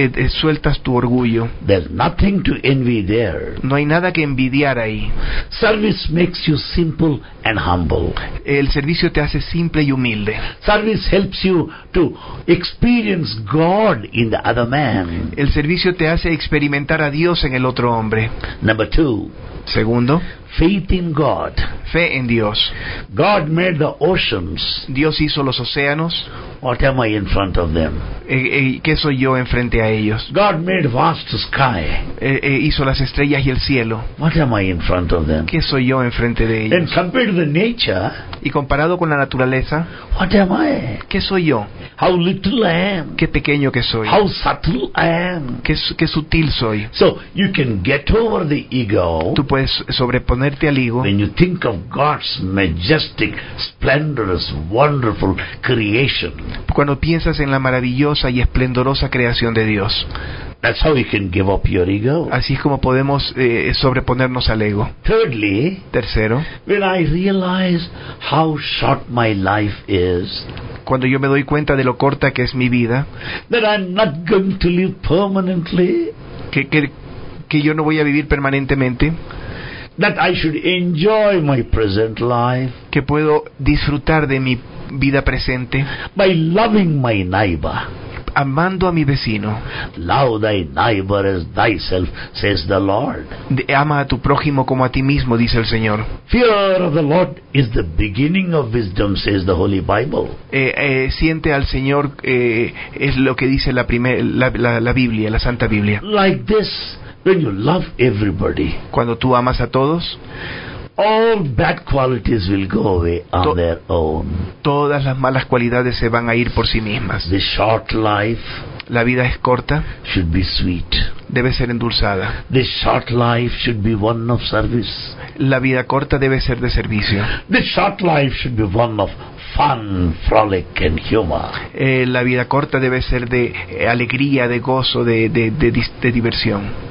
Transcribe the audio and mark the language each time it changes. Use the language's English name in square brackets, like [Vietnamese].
[Spanish] sueltas tu orgullo. [English] There's nothing to envy there, [Spanish] no hay nada que envidiar ahí. [English] Service makes you simple and humble, [Spanish] el servicio te hace simple y humilde. [English] Service helps you to experience God in the other man, [Spanish] el servicio te hace experimentar a Dios en el otro hombre. [English] Number two, [Spanish] segundo, [English] faith in God, [Spanish] fe en Dios. [English] God made the oceans, [Spanish] Dios hizo los océanos. [English] What am I in front of them? [Spanish] ¿Qué soy yo en frente a ellos? [English] God made vast sky, [Spanish] hizo las estrellas y el cielo. [English] What am I in front of them? [Spanish] ¿Qué soy yo en frente de ellos? [English] And compared to the nature, [Spanish] y comparado con la naturaleza, [English] what am I? [Spanish] ¿Qué soy yo? [English] How little I am, [Spanish] qué pequeño que soy. [English] How subtle I am, [Spanish] qué sutil soy. [English] So you can get over the ego, [Spanish] tú puedes sobreponerte al ego. [English] When you think of God's majestic, splendorous, wonderful creation, [Spanish] cuando piensas en la maravillosa y esplendorosa creación de Dios. [English] That's how you can give up your ego. [Spanish] Así es como podemos sobreponernos al ego. [English] Thirdly, [Spanish] tercero, [English] when I realize how short my life is, [Spanish] cuando yo me doy cuenta de lo corta que es mi vida, [English] that I'm not going to live permanently, [Spanish] que yo no voy a vivir permanentemente, [English] that I should enjoy my present life, [Spanish] que puedo disfrutar de mi vida presente, [English] by loving my neighbor, [Spanish] amando a mi vecino. [English] Love thy neighbor as thyself, says the Lord. [Spanish] Ama a tu prójimo como a ti mismo, dice el Señor. [English] Fear of the Lord is the beginning of wisdom, says the Holy Bible. [Spanish] Siente al Señor, es lo que dice la Biblia, la Santa Biblia. [English] Like this, when you love everybody, [Spanish] cuando tú amas a todos, [English] all bad qualities will go away on their own. [Spanish] Todas las malas cualidades se van a ir por sí mismas. [English] The short life, [Spanish] la vida es corta, [English] should be sweet, [Spanish] debe ser endulzada. [English] The short life should be one of service, [Spanish] la vida corta debe ser de servicio. [English] The short life should be one of fun, frolic and humor. [Spanish] La vida corta debe ser de alegría, de gozo, de diversión.